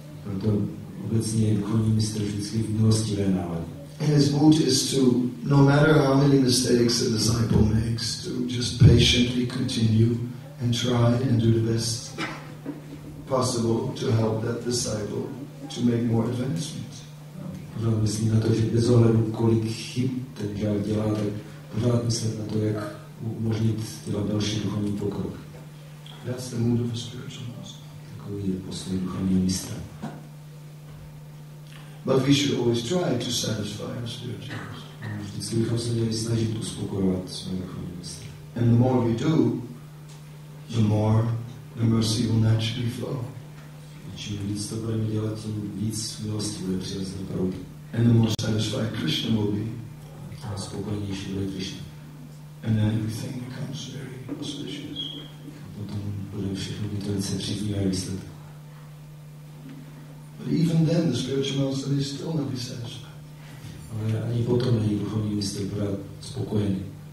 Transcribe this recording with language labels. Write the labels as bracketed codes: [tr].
[en] And his mood is to, no matter how many mistakes a disciple makes, to just patiently continue and try and do the best possible to help that disciple to make more advancement. [cs] Pořád myslím na to, že bez ohledu, kolik chyb ten žák dělá, tak pořád myslím na to, jak umožnit dělat další duchovní pokrok. [en] That's the mood of a spiritual master. [cs] Takový je postoj duchovního mistra. [en] But we should always try to satisfy our spiritual master. [cs] Vždycky bychom se měli snažit uspokojovat svého duchovního mistra. [en] And the more we do, the more the mercy will naturally flow. [cs] Čím víc to budeme dělat, tím víc milosti bude přirozeně proudit. [en] And the more satisfied Krishna will be. [cs] A spokojnější bude Krishna. [en] And then everything becomes very auspicious. [cs] A potom bude všechno být velice příznivé výsledky. [en] But even then the spiritual master is still not be satisfied. [cs] Ale ani potom není duchovní mistr pořád spokojený.